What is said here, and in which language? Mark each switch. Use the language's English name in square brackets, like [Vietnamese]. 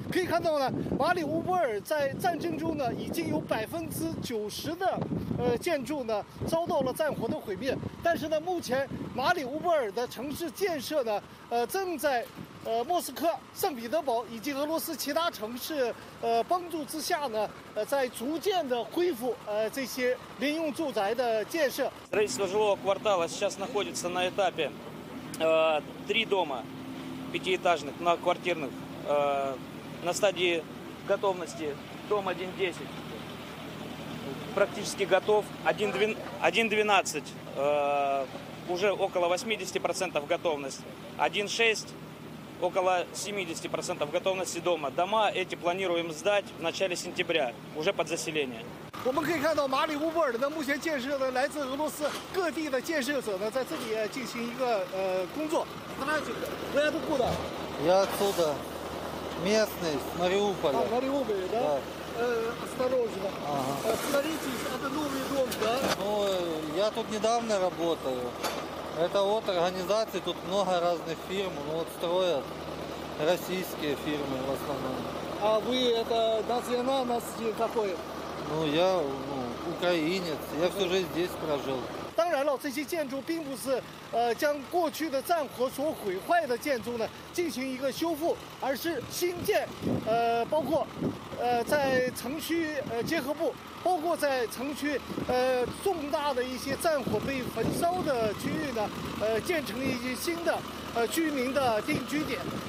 [Chinese] 可以看到呢，马里乌波尔在战争中呢，已经有90%的建筑呢遭到了战火的毁灭。但是呢，目前马里乌波尔的城市建设呢，正在莫斯科、圣彼得堡以及俄罗斯其他城市帮助之下呢，在逐渐的恢复这些民用住宅的建设。 [Russian] строительство жилого квартала сейчас находится на этапе три дома пятиэтажных многоквартирных на стадии готовности дом 110 практически готов 112 уже около 80% готовность 16около 70% готовности дома. Дома эти планируем сдать в начале сентября, уже под заселение. [Chinese] 我们可以看到马里乌波尔的目前建设呢，来自俄罗斯各地的建设者呢，在这里进行一个工作。大家都过的。 [Russian] Я оттуда местный Мариуполя. А Мариуполь, да? Осторожно. Смотрите, это новый дом, да? Ну, я тут недавно работаю. Это вот организации, тут много разных фирм, ну вот строят российские фирмы в основном. А вы это национальность какой? Ну я ну, украинец, я всю жизнь здесь прожил. [Chinese] 当然了，这些建筑并不是将过去的战火所毁坏的建筑呢进行一个修复，而是新建包括在城区结合部，包括在城区重大的一些战火被焚烧的区域呢建成一些新的居民的定居点。